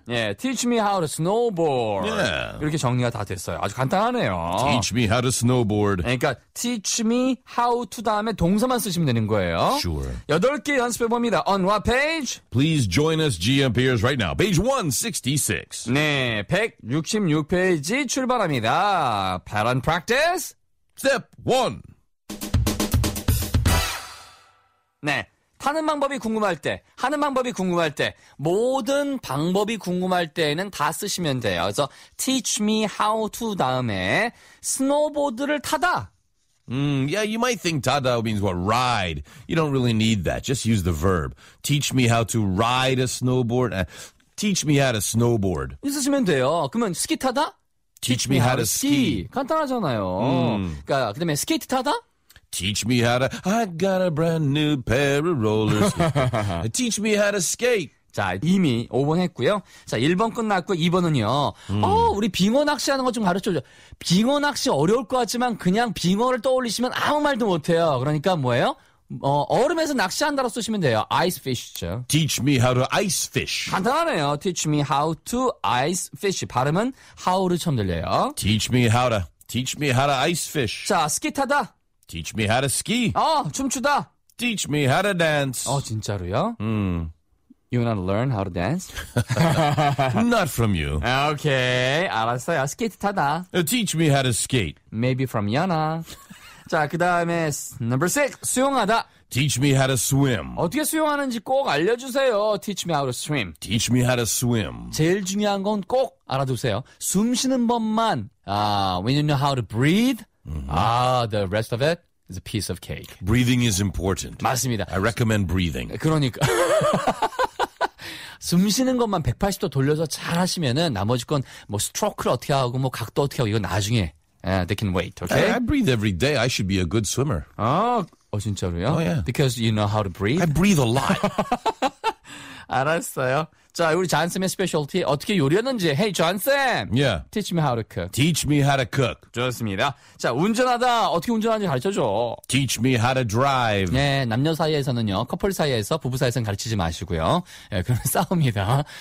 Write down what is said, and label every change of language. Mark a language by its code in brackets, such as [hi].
[en] 예, teach me how to snowboard. Yeah. [ko] 이렇게 정리가 다 됐어요. 아주 간단하네요. [en] Teach me how to snowboard. [ko] 그러니까 [en] teach me how to [ko] 다음에 동사만 쓰시면 되는 거예요. [en] Sure. 여덟 개 연습해봅니다. On what page? Please join us GMPers right now. Page 166. [ko] 네, 166페이지 출발합니다. [en] Pattern practice. Step 1. [ko] 네, 타는 방법이 궁금할 때, 하는 방법이 궁금할 때, 모든 방법이 궁금할 때에는 다 쓰시면 돼요. 그래서 [en] teach me how to [ko] 다음에 스노보드를 타다. [en] Yeah, you might think 타다 means what, ride. You don't really need that. Just use the verb. Teach me how to ride a snowboard. Teach me how to snowboard. [ko] 쓰시면 돼요. 그러면 스키 타다? [en] Teach me how to ski. [ko] 간단하잖아요. 그러니까 그다음에 스케이트 타다? [en] Teach me how to, I got a brand new pair of rollers. Teach me how to skate. [ko] 자, 이미 5번 했고요. 자, 1번 끝났고 2번은요. 우리 빙어 낚시하는 거 좀 가르쳐줘. 빙어 낚시 어려울 것 같지만 그냥 빙어를 떠올리시면 아무 말도 못해요. 그러니까 뭐예요? 얼음에서 낚시한다로 쓰시면 돼요. [en] Ice fish죠. Teach me how to ice fish. [ko] 간단하네요. [en] Teach me how to ice fish. [ko] 발음은 how로 처음 들려요. [en] Teach me how to, teach me how to ice fish. [ko] 자, 스키 타다. [en] Teach me how to ski. [ko] 춤추다. [en] Teach me how to dance. [ko] 진짜로요? Mm. [en] You want to learn how to dance? Not from you. [ko] Okay, 알았어요. 스케이트 타다. [en] Teach me how to skate. Maybe from Yana. [ko] 자, 그 다음에 [en] number six, [ko] 수영하다. [en] Teach me how to swim. [ko] 어떻게 수영하는지 꼭 알려주세요. [en] Teach me how to swim. Teach me how to swim. [ko] 제일 중요한 건 꼭 알아두세요. 숨 쉬는 법만. [en] When you know how to breathe, mm-hmm. The rest of it is a piece of cake. Breathing is important. [ko] 맞습니다. [en] I recommend breathing. [ko] 그러니까 숨 쉬는 것만 180도 돌려서 잘 하시면은 나머지 건 뭐 스트로크를 어떻게 하고 뭐 각도 어떻게 하고 이거 나중에 [en] they can wait. Okay. I breathe every day. I should be a good swimmer. [ko] 진짜로요? [en] Oh yeah. Because you know how to breathe. I breathe a lot. [ko] 알았어요. 자, 우리 존쌤의 스페셜티 어떻게 요리하는지. [en] Hey, 존쌤. Yeah. Teach me how to cook. Teach me how to cook. [ko] 좋습니다. 자, 운전하다 어떻게 운전하는지 가르쳐줘. [en] Teach me how to drive. [ko] 네, 남녀 사이에서는요. 커플 사이에서, 부부 사이에서는 가르치지 마시고요. 네, 그러면 싸웁니다.